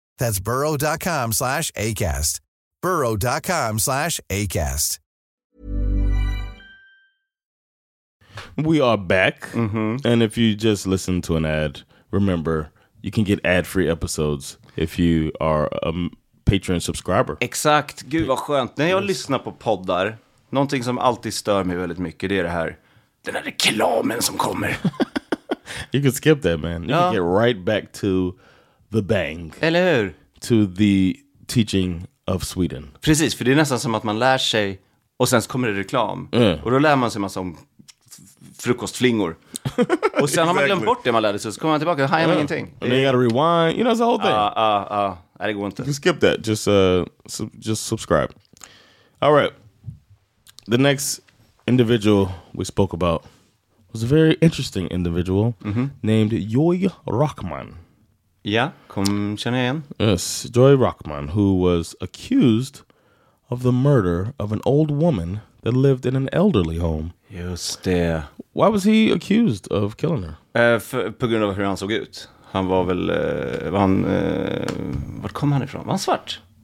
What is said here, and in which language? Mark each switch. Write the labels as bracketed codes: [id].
[en] That's burrow.com/ACAST. burrow.com/ACAST. We are back. Mm-hmm. And if you just listen to an ad, remember, you can get ad-free episodes if you are a Patreon subscriber. [sv] Exakt. Gud vad skönt. När jag lyssnar på poddar, någonting som alltid stör mig väldigt mycket, det är det här. Den här reklamen som kommer. [en] You can skip that, man. You can get right back to the bang. [sv] Eller hur? [en] To the teaching of Sweden. [sv] Precis, för det är nästan som att man lär sig och sen kommer det reklam. [en] Yeah. [sv] Och då lär man sig massa om frukostflingor. Och sen [en] exactly. [sv] Har man glömt bort det man lärde sig, så kommer man tillbaka och har ingenting. [en] And then you gotta rewind. You know, it's a whole thing. I didn't want to. You skip that. Just subscribe. All right. The next individual we spoke about was a very interesting individual named Joy Rockman. Yeah, [sv] kom känna igen. [en] Yes, Joy Rockman, who was accused of the murder of an old woman that lived in an elderly home. Just det. Why was he accused of killing her? [sv] På grund av hur han såg ut. Han var väl... var kom han ifrån? Var han svart?